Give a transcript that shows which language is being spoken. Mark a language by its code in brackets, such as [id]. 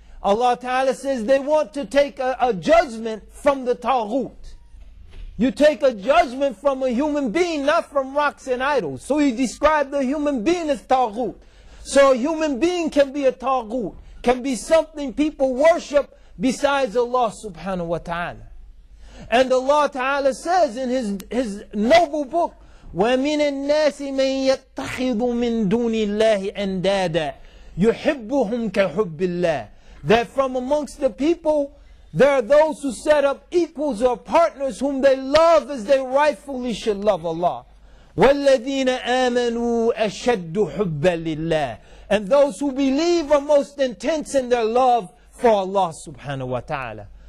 [en] Allah Ta'ala says they want to take a judgment from the taghut. You take a judgment from a human being, not from rocks and idols. So He described the human being as taghut. So a human being can be a taghut, can be something people worship besides Allah subhanahu wa ta'ala. And Allah Ta'ala says in His noble book, [ar] وَمِنَ النَّاسِ مَنْ يَتَّخِذُ مِنْ دُونِ اللَّهِ أَنْدَادًا يُحِبُّهُمْ كَحُبِّ اللَّهِ. [en] That from amongst the people, there are those who set up equals or partners whom they love as they rightfully should love Allah. [ar] وَالَّذِينَ آمَنُوا أَشَدُّ حُبَّا لِلَّهِ. [en] And those who believe are most intense in their love for Allah subhanahu wa ta'ala.